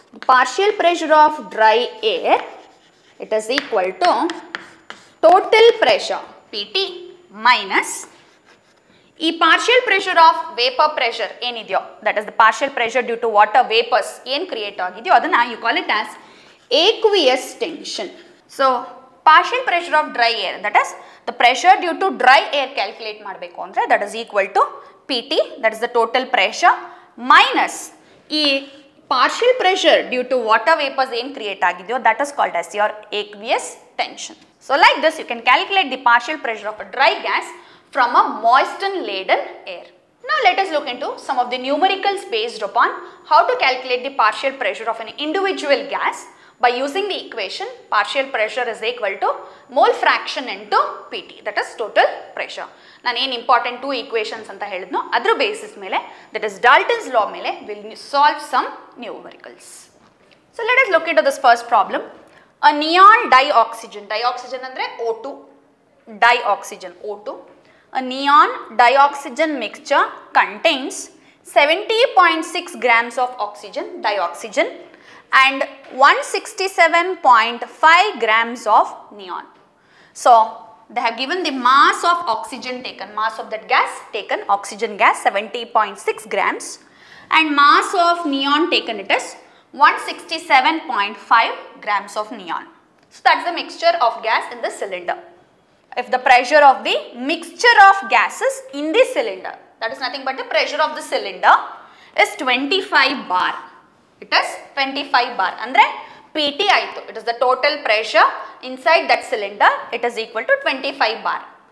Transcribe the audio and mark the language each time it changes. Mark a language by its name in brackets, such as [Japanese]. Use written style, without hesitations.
[English] partial pressure of dry air it is equal to total pressure P T minus ಈ partial pressure of vapor pressure ಏನಿದೆಯೋ, that is the partial pressure due to water vapors [Kannada] ಏನು create ಆಗಿದೆಯೋ ಅದನ್ನು [English] You call it as aqueous tension. So partial pressure of dry air that is the pressure due to dry air [Kannada] calculate ಮಾಡಬೇಕು ಅಂದರೆ [English] That is equal to PT, that is the total pressure, minus e partial pressure due to water vapors in create agidiyo, that is called as your aqueous tension. So like this you can calculate the partial pressure of a dry gas from a moisten laden air. Now let us look into some of the numericals based upon how to calculate the partial pressure of an individual gas by using the equation partial pressure is equal to mole fraction into PT, that is total pressure. [Kannada] ನಾನು ಏನು important two equations ಅಂತ ಹೇಳಿದ್ನೋ ಅದ್ರ basis ಮೇಲೆ that is ಡಾಲ್ಟನ್ಸ್ ಲಾ ಮೇಲೆ [English] Will solve some numericals. So let is look into this first problem. A neon dioxygen, dioxygen ಅಂದರೆ O two, dioxygen O two. A neon dioxygen mixture contains 70.6 grams of oxygen, dioxygen, and 167.5 grams of neon. So they have given the mass of oxygen taken, mass of that gas taken, oxygen gas 70.6 grams, and mass of neon taken it is 167.5 grams of neon. So that's the mixture of gas in the cylinder. If the pressure of the mixture of gases in the cylinder, that is nothing but the pressure of the cylinder, is 25 bar, it is 25 bar [Kannada] andre PT aitu, [English] it is the total pressure inside that cylinder, it is equal to 25 bar.